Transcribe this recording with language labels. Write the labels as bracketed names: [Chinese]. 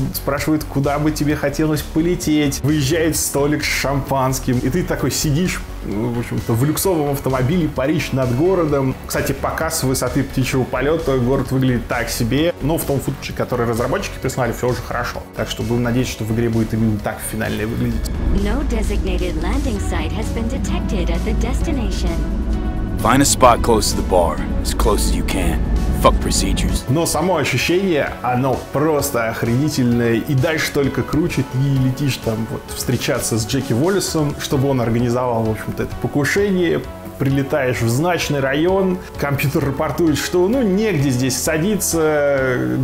[Russian] спрашивает, куда бы тебе хотелось полететь, выезжает столик с шампанским, и ты такой сидишь, в общем-то, в люксовом автомобиле Париж над городом. Кстати, показ высоты птичьего полета, город выглядит так себе. Но в том футболе, который разработчики прислали, все уже хорошо. Так что будем надеяться, что в игре будет именно так финально выглядеть. [English] No designated landing site has been detected at the destination. Find a spot close to the bar, as close as you can. Fuck procedures. [Russian] Но само ощущение, оно просто охренительное. И дальше только круче, ты летишь там вот встречаться с Джеки Уоллесом, чтобы он организовал, в общем-то, это покушение. Прилетаешь в значный район, компьютер рапортует, что, ну, негде здесь садиться.